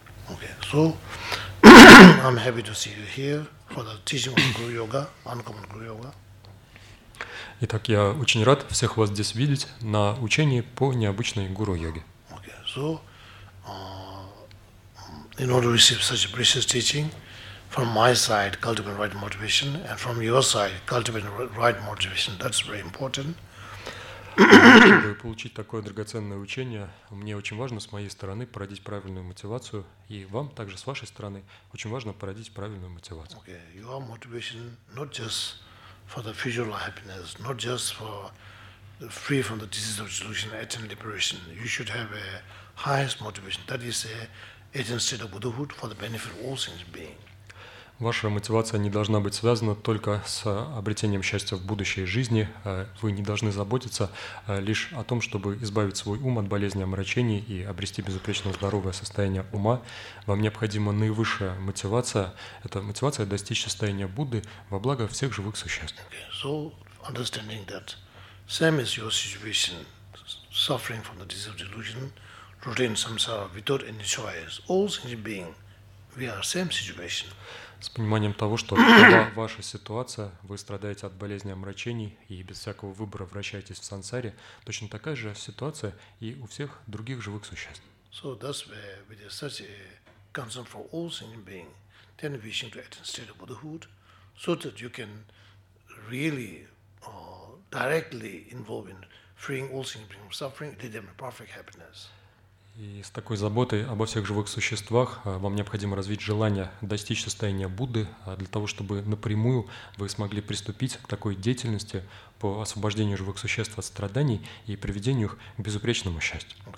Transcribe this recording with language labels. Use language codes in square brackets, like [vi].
[en] Okay, so I'm happy to see you here for the teaching of Guru Yoga, Uncommon Guru Yoga. [ru] Итак, я очень рад всех вас здесь видеть на учении по необычной Гуру Йоге. [en] Okay, so in order to receive such a precious teaching, from my side, cultivate right motivation, and from your side, cultivate right motivation. That's very important. [ru] Чтобы получить такое драгоценное учение, мне очень важно с моей стороны породить правильную мотивацию, и вам также с вашей стороны очень важно породить правильную мотивацию. [en] Okay, your motivation not just for the physical happiness, not just for the free from the disease of delusion, eternal liberation. You should have a highest motivation. That is a eternal state of Buddhahood for the benefit of all sentient beings. [ru] Ваша мотивация не должна быть связана только с обретением счастья в будущей жизни. Вы не должны заботиться лишь о том, чтобы избавить свой ум от болезни омрачений и обрести безупречно здоровое состояние ума. Вам необходима наивысшая мотивация. Это мотивация достичь состояния Будды во благо всех живых существ. [en] Okay. So, understanding that same as your situation, suffering from the disease of delusion, rooted in samsara, without any choice, all sentient beings, we are same situation. [ru] С пониманием того, что когда ваша ситуация, вы страдаете от болезни омрачений и без всякого выбора вращаетесь в сансаре, точно такая же ситуация и у всех других живых существ. [en] So that's where with such a concern for all sentient beings, then wishing to attain state of Buddhahood, so that you can really directly involve in freeing all sentient beings from suffering, lead them to perfect happiness. [ru] И с такой заботой обо всех живых существах вам необходимо развить желание достичь состояния Будды для того, чтобы напрямую вы смогли приступить к такой деятельности по освобождению живых существ от страданий и приведению их к безупречному счастью.